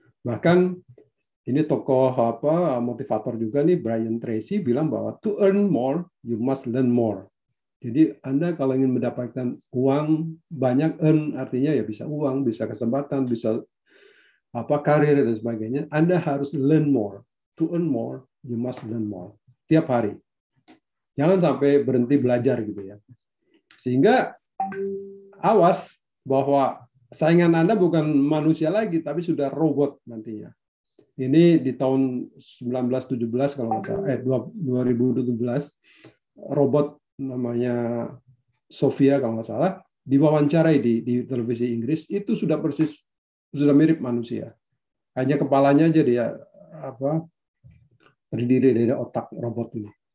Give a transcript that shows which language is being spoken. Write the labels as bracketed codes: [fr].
[id] Bahkan ini tokoh apa motivator juga nih, Brian Tracy bilang bahwa [en] to earn more, you must learn more. [id] Jadi Anda kalau ingin mendapatkan uang banyak, earn artinya ya bisa uang, bisa kesempatan, bisa apa karir dan sebagainya, Anda harus [en] learn more. To earn more, you must learn more. [id] Tiap hari. Jangan sampai berhenti belajar gitu ya. Sehingga awas bahwa saingan Anda bukan manusia lagi, tapi sudah robot nantinya. Ini di tahun 1917 kalau nggak salah, 2017, robot namanya Sophia kalau nggak salah diwawancarai di televisi Inggris, itu sudah persis, sudah mirip manusia, hanya kepalanya aja dia apa terdiri dari otak robot ini.